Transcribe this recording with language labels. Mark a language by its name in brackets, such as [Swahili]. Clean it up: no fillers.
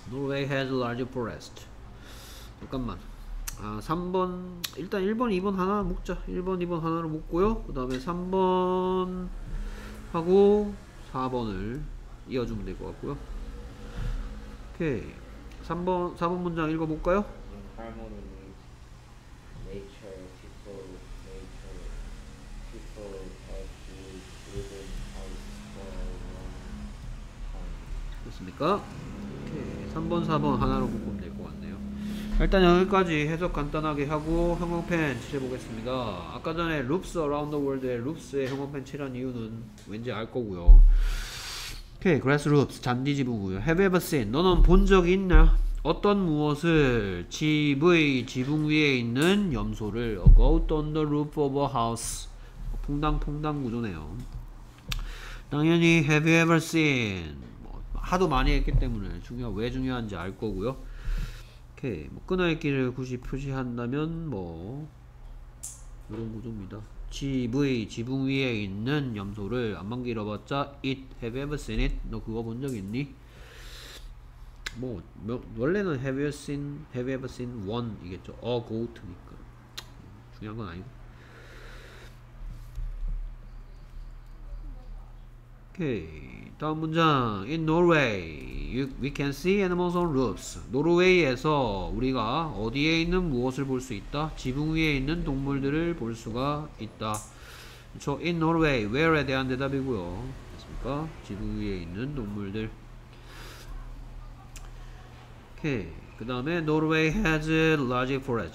[English] Norway has large forest. [Korean] 잠깐만. 아, 3번 일단 1번 2번 하나 묶자. 1번 2번 하나로 묶고요. 그 다음에 3번 하고 4번을 이어주면 될 것 같고요. 오케이. 4번 문장 읽어볼까요? [English] In harmony with nature, people have lived in house for a long time. [Korean] 됐습니까? 3번 4번 하나로 묶으면 될 것 같네요. 일단 여기까지 해석 간단하게 하고 형광펜 칠해보겠습니다. 아까 전에 Loops Around the World의 Loops의 형광펜 칠한 이유는 왠지 알 거고요. 오케이, grassroots, 잔디 지붕구요. [English] Have you ever seen? [Korean] 너는 본 적이 있나? 어떤 무엇을? 집의 지붕 위에 있는 염소를. [English] A goat on the roof of a house. [Korean] 퐁당퐁당 구조네요. 당연히 [English] have you ever seen? [Korean] 뭐, 하도 많이 했기 때문에 중요한, 왜 중요한지 알 거고요. 오케이, 뭐 끊어있기를 굳이 표시한다면 뭐 이런 구조입니다. 집의 지붕 위에 있는 염소를 안만 길어봤자 it, [English] have you ever seen it? [Korean] 너 그거 본 적 있니? 뭐, 원래는 [English] have you seen, have you ever seen one [Korean] 이겠죠. a goat니까 중요한 건 아니고. 오케이, 다음 문장. [English] In Norway, you, we can see animals on roofs. [Korean] 노르웨이에서 우리가 어디에 있는 무엇을 볼 수 있다? 지붕 위에 있는 동물들을 볼 수가 있다. 그쵸? [English] In Norway, [Korean] where에 대한 대답이고요. 됐습니까? 지붕 위에 있는 동물들. 오케이, 그 다음에 [English] Norway has a large forest.